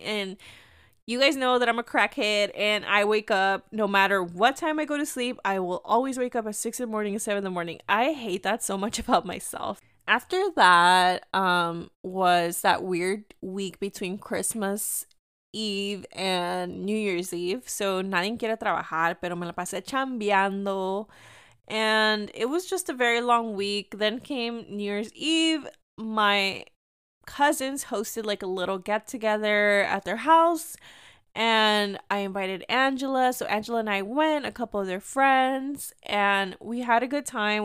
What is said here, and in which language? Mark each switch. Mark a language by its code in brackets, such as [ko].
[en] and you guys know that I'm a crackhead, and I wake up no matter what time I go to sleep. I will always wake up at 6 a.m. and 7 a.m. I hate that so much about myself. After that was that weird week between Christmas Eve and New Year's Eve. [es] So, nadie quiere trabajar, pero me la pasé chambeando. [en] And it was just a very long week. Then came New Year's Eve. My cousins hosted like a little get-together at their house. And I invited Angela. So Angela and I went, a couple of their friends, and we had a good time.